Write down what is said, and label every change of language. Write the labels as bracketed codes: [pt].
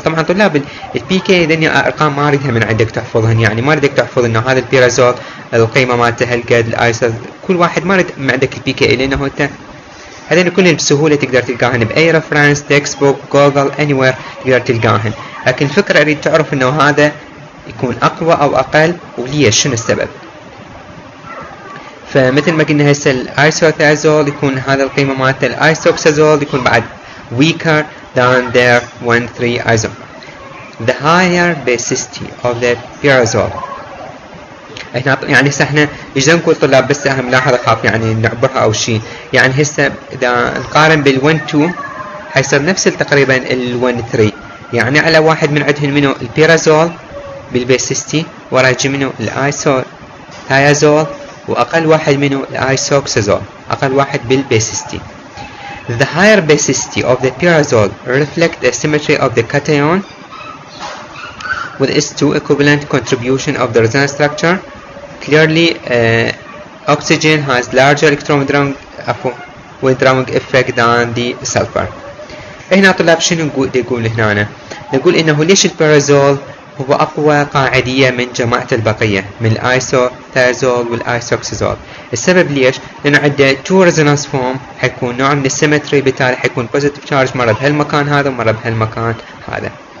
[ar] طبعا طلاب البي كي ذني ارقام ما اريدها من عندك تحفظهن، يعني ما اريدك تحفظ انه هذا البيرازول القيمه مالته هالقد الايسر، كل واحد ما اريد من عندك البي كي لانه انت هذين كلهم بسهوله تقدر تلقاهن باي رفرنس تكست بوك جوجل اني وير تقدر تلقاهن، لكن الفكره اريد تعرف انه هذا يكون اقوى او اقل وليش شنو السبب. ف فمثل ما قلنا هسه الايسوثيازول يكون هذا القيمة مالته، الايسوكسازول يكون بعد [en] weaker than their 1,3 isomer. The higher basicity of the pyrazole. [ar] احنا يعني هسه احنا اذا نقول طلاب بس اهم ملاحظه خاف يعني نعبرها او شيء، يعني هسه اذا نقارن بال 1,2 حيصير نفس تقريبا ال 1,3، يعني على واحد من عندهم منه البيرازول بالبيسيستي ورا يجي منه الايسوثيازول واقل واحد منه الايسوكسازول اقل واحد بالبيسيستي. [en] The higher basicity of the pyrazole reflect the symmetry of the cation with its two equivalent contribution of the resonance structure. Clearly, oxygen has larger electron withdrawing effect than the sulfur. [ar] هنا طلاب شنو نقول يقول هنا أنا؟ نقول إنه ليش البيرازول هو أقوى قاعدية من جماعة البقية من الايسوثيازول والايسوكسازول. السبب ليش؟ لأنه عند [en] two resonance form [ar] حيكون نوع من السيمتري، بالتالي حيكون [en] positive charge [ar] مرة بهالمكان هذا ومرة بهالمكان هذا.